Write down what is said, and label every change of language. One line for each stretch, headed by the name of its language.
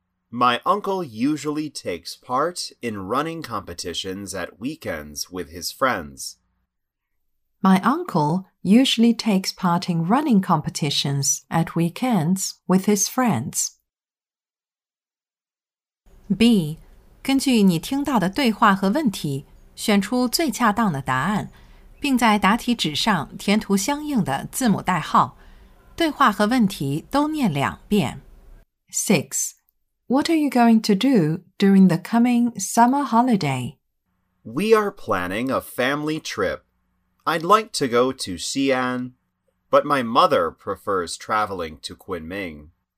English: My uncle usually takes part in running competitions at weekends with his friends. My uncle... usually takes part in running competitions at weekends with his friends. B.
Chinese: 根据你听到的对话和问题，选出最恰当的答案，并在答题纸上填涂相应的字母代号。对话和问题都念两遍。 6.
English: What are you going to do during the coming summer holiday? We are planning a family trip. I'd like to go to Xi'an, but my mother prefers traveling to Kunming.